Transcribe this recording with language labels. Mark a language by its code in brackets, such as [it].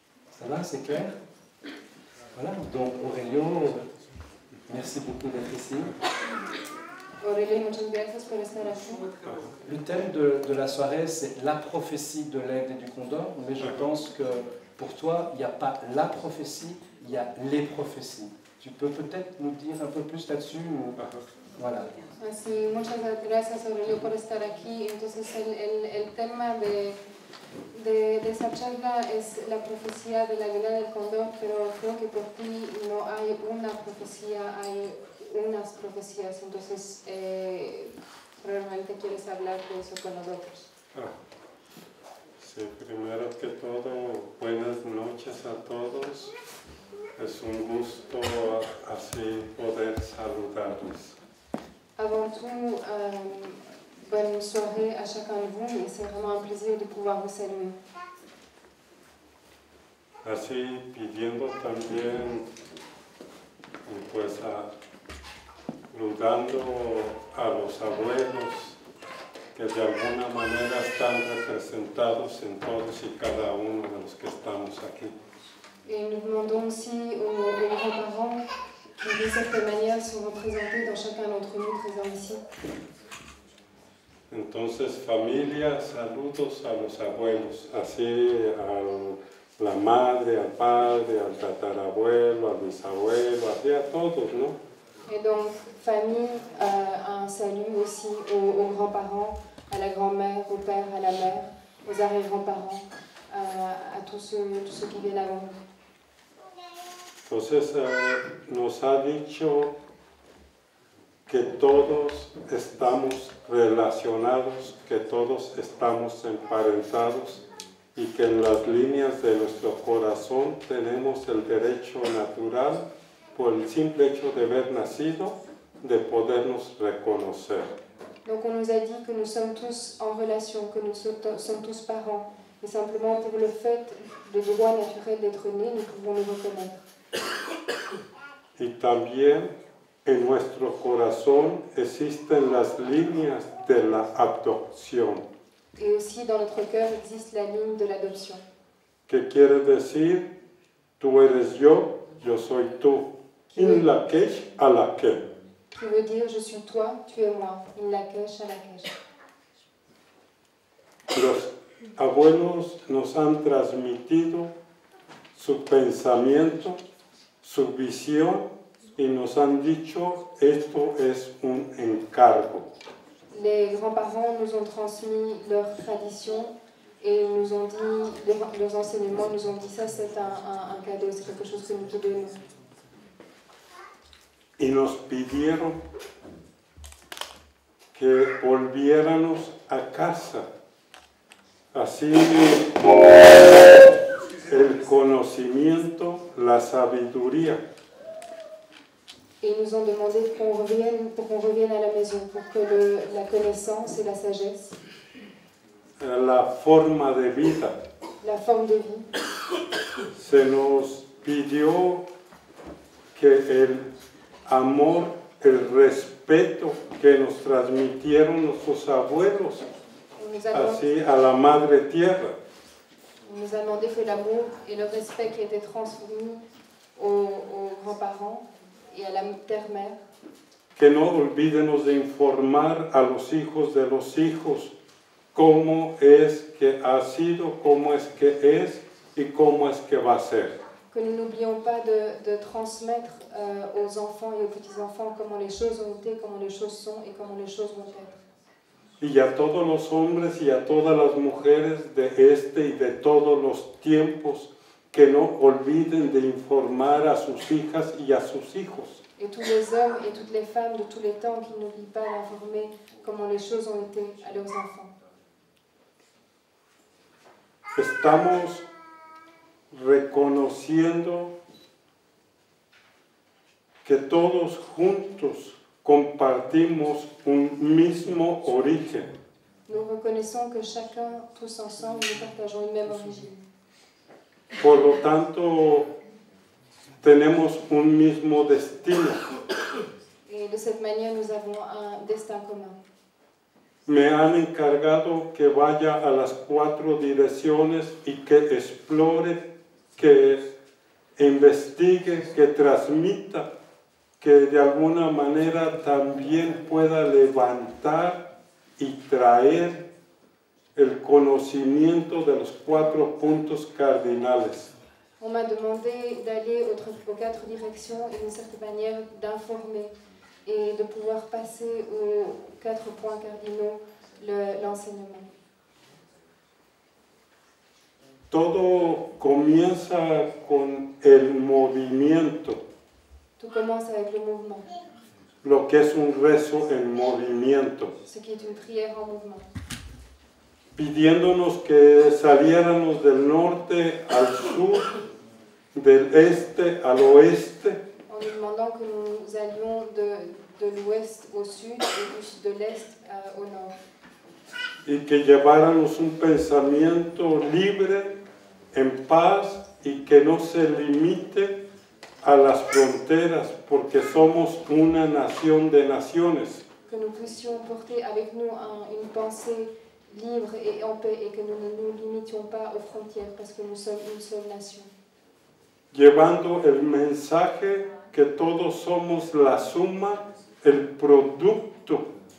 [fr] Ça va, c'est clair? Voilà, donc Aurelio, merci beaucoup d'être ici. Le thème de la soirée, c'est la prophétie de l'aigle et du condor, mais je pense que pour toi, il n'y a pas la prophétie, il y a les prophéties. Tu peux peut-être nous dire un peu plus là-dessus ou... Voilà. [es] Merci, muchas gracias Aurelio por estar aquí. Entonces, el tema de esta charla es la profecía de la aigle del condor, pero creo que por ti no hay una profecía, hay unas profecías, entonces realmente quieres hablar de eso con nosotros. Sí, primero que todo, buenas noches a todos. Es un gusto así poder saludarlos. [fr] Avant tout, bonne soirée à chacun de vous, et c'est vraiment un plaisir de pouvoir vous saluer. [es] Así pidiendo también, pues a saludando a los abuelos que de alguna manera están representados en todos y cada uno de los que estamos aquí. Y nos demandamos [fr] aussi aux grands-parents qui de cette manière sont représentés dans chacun d'entre nous présents ici. [es] Entonces, familia, saludos a los abuelos, así a la madre, al padre, al tatarabuelo, al bisabuelo, así a todos, ¿no? [fr] Et donc, famille, un salut aussi aux grands-parents, à la grand-mère, au père, à la mère, aux arrière-grands-parents, à tous ceux qui viennent avant nous. [es] Entonces, nos ha dicho que todos estamos relacionados, que todos estamos emparentados y que en las líneas de nuestro corazón tenemos el derecho natural por el simple hecho de haber nacido, de podernos reconocer. [fr] Donc on nous a dit que nous sommes tous en relation, que nous sommes tous parents, et simplement pour le fait de droit naturel d'être né, nous pouvons nous reconnaître. [es] Y también en nuestro corazón existen las líneas de la adopción. [fr] Et aussi dans notre cœur existe la ligne de l'adoption. [es] ¿Qué quiere decir? Tú eres yo soy tú. In la queche à la queche. [fr] Qui veut dire je suis toi, tu es moi. In la queche à la queche. [es] Los abuelos nos han transmitido su pensamiento, su visión y nos han dicho esto es un encargo. [fr] Les grands-parents nous ont transmis leur tradition et nous ont dit leurs enseignements nous ont dit ça c'est un cadeau, c'est quelque chose que nous te donnons. [es] Y nos pidieron que volviéramos a casa, así el conocimiento, la sabiduría. Y nos han [fr] demandé pour qu'on revienne a la maison, pour que la connaissance et la sagesse. [es] La forma de vida. [fr] La forme de vie. [es] Se nos pidió que el amor, el respeto que nos transmitieron nuestros abuelos, así a la madre tierra. Nos ha demandé que el amor y el respeto que [fr] était transmis aux grands-parents [es] y a la [fr] terre-mère. [es] Que no olvidemos de informar a los hijos de los hijos cómo es que ha sido, cómo es que es y cómo es que va a ser. [fr] que nous n'oublions pas de transmettre aux enfants et aux petits-enfants comment les choses ont été, comment les choses sont et comment les choses vont être. [es] Y a todos los hombres y a todas las mujeres de este y de todos los tiempos que no olviden de informar a sus hijas y a sus hijos. [fr] Et tous les hommes et toutes les femmes de tous les temps qui n'oublient pas d'informer comment les choses ont été à leurs enfants. [es] Estamos reconociendo que todos juntos compartimos un mismo origen. [fr] Nous reconnaissons que chacun, tous ensemble, nous partageons une même origine. [es] Por lo tanto, tenemos un mismo destino. [fr] Et de cette manière, nous avons un destin commun. [es] Me han encargado que vaya a las cuatro direcciones y que explore, que investigue, que transmita, que de alguna manera también pueda levantar y traer el conocimiento de los cuatro puntos cardinales. [fr] On m'a demandé d'aller aux quatre directions et d'une certaine manière d'informer et de pouvoir passer aux quatre points cardinaux l'enseignement. [es] Todo comienza con el movimiento. [fr] Tout commence avec le mouvement. [es] Lo que es un rezo en movimiento. [fr] Ce qui est une prière en mouvement. [es] Pidiéndonos que saliéramos del norte al sur, del este al oeste. [fr] En nous demandant que nous allions de l'ouest au sud et de l'est au nord. [es] Y que lleváramos un pensamiento libre, en paz y que no se limite a las fronteras, porque somos una nación de naciones. [fr] Que nous puissions porter avec nous une pensée libre et en paix et que nous ne nous limitions pas aux frontières parce que nous sommes une seule nation. [es] Llevando el mensaje que todos somos la suma, el producto.